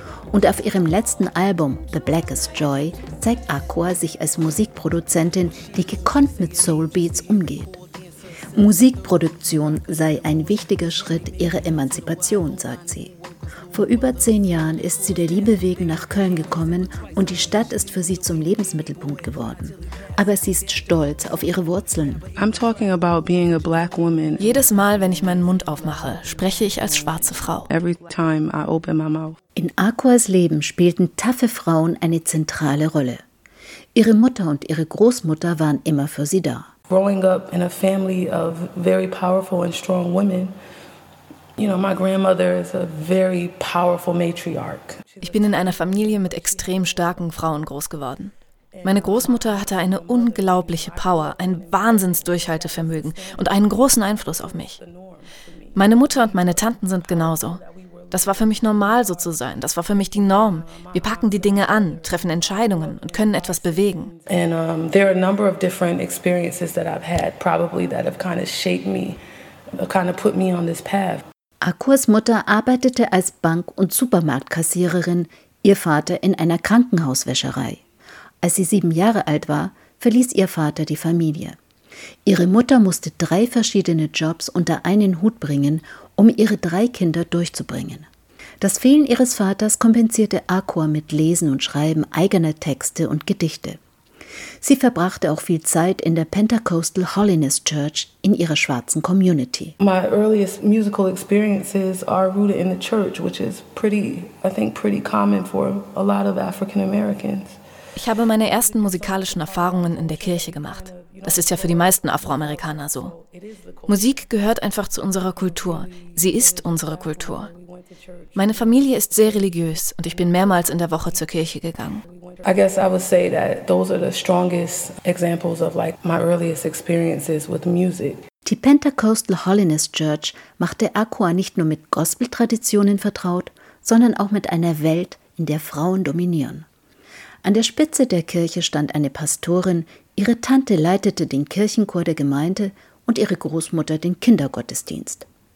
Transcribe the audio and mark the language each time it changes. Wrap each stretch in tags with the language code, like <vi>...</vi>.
<de>Und auf ihrem letzten Album, The Blackest Joy, zeigt Akua sich als Musikproduzentin, die gekonnt mit Soulbeats umgeht. Musikproduktion sei ein wichtiger Schritt ihrer Emanzipation, sagt sie. Vor über 10 Jahren ist sie der Liebe wegen nach Köln gekommen und die Stadt ist für sie zum Lebensmittelpunkt geworden. Aber sie ist stolz auf ihre Wurzeln.</de> <en>I'm talking about being a black woman.</en> <de>Jedes Mal, wenn ich meinen Mund aufmache, spreche ich als schwarze Frau.</de> <en>Every time I open my mouth.</en> <de>In Akuas Leben spielten taffe Frauen eine zentrale Rolle. Ihre Mutter und ihre Großmutter waren immer für sie da.</de> <en>Growing up in a family of very powerful and strong women. You know, my grandmother is a very powerful matriarch.</en> <de>Ich bin in einer Familie mit extrem starken Frauen groß geworden. Meine Großmutter hatte eine unglaubliche Power, ein Wahnsinnsdurchhaltevermögen und einen großen Einfluss auf mich. Meine Mutter und meine Tanten sind genauso. Das war für mich normal, so zu sein. Das war für mich die Norm. Wir packen die Dinge an, treffen Entscheidungen und können etwas bewegen.</de> <en>And there are a number of different experiences that I've had, probably that have kind of shaped me, kind of put me on this path.</en> <de>Akuas Mutter arbeitete als Bank- und Supermarktkassiererin, ihr Vater in einer Krankenhauswäscherei. Als sie 7 Jahre alt war, verließ ihr Vater die Familie. Ihre Mutter musste 3 verschiedene Jobs unter einen Hut bringen, um ihre 3 Kinder durchzubringen. Das Fehlen ihres Vaters kompensierte Akua mit Lesen und Schreiben eigener Texte und Gedichte. Sie verbrachte auch viel Zeit in der Pentecostal Holiness Church in ihrer schwarzen Community.</de> <en>My earliest musical experiences are rooted in the church, which is pretty, I think, pretty common for a lot of African Americans.</en> <de>Ich habe meine ersten musikalischen Erfahrungen in der Kirche gemacht. Das ist ja für die meisten Afroamerikaner so. Musik gehört einfach zu unserer Kultur. Sie ist unsere Kultur. Meine Familie ist sehr religiös und ich bin mehrmals in der Woche zur Kirche gegangen.</de> <en>I guess I would say that those are the strongest examples of like my earliest experiences with music.</en> <de>Die Pentecostal Holiness Church machte Akua nicht nur mit Gospel-Traditionen vertraut, sondern auch mit einer Welt, in der Frauen dominieren. An der Spitze der Kirche stand eine Pastorin, Ihre Tante leitete den Kirchenchor der Gemeinde und ihre Großmutter den Kindergottesdienst.</de>